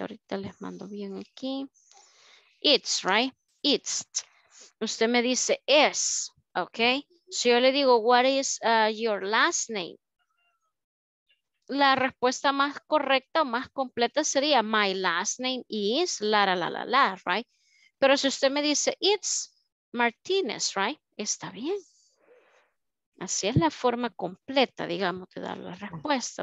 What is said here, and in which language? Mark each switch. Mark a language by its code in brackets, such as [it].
[es] Ahorita les mando bien aquí. [en] It's, right? It's. [es] Usted me dice es, ¿ok? Si yo le digo, [en] what is your last name? [es] La respuesta más correcta, más completa sería, [en] my last name is, [es] la, la, la, la, la, right? Pero si usted me dice, [en] it's Martinez, right? [es] Está bien. Así es la forma completa, digamos, de dar la respuesta.